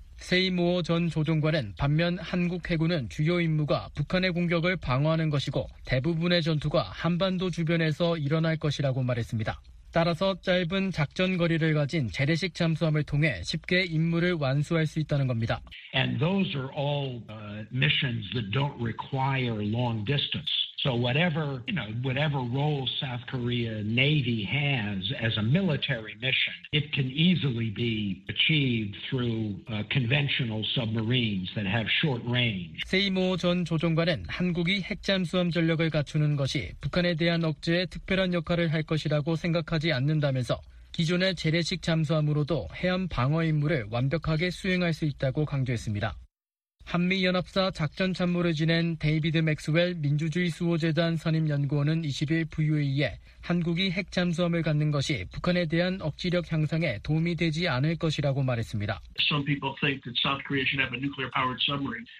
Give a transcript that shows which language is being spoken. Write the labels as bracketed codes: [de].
[ko] 세이모어 전 조정관은 반면 한국 해군은 주요 임무가 북한의 공격을 방어하는 것이고 대부분의 전투가 한반도 주변에서 일어날 것이라고 말했습니다. 따라서 짧은 작전 거리를 가진 재래식 잠수함을 통해 쉽게 임무를 완수할 수 있다는 겁니다. [en] And those are all missions that don't require long distance. So whatever, you know, whatever role South Korea Navy has as a military mission, it can easily be achieved through conventional submarines that have short range. [ko] 세이모 전 조정관은 한국이 핵 잠수함 전력을 갖추는 것이 북한에 대한 억제에 특별한 역할을 할 것이라고 생각하지 않는다면서 기존의 재래식 잠수함으로도 해안 방어 임무를 완벽하게 수행할 수 있다고 강조했습니다. 한미연합사 작전참모를 지낸 데이비드 맥스웰 민주주의 수호재단 선임연구원은 20일 VOA에 한국이 핵잠수함을 갖는 것이 북한에 대한 억지력 향상에 도움이 되지 않을 것이라고 말했습니다. [en] Some people think that South Korea should have a nuclear-powered submarine.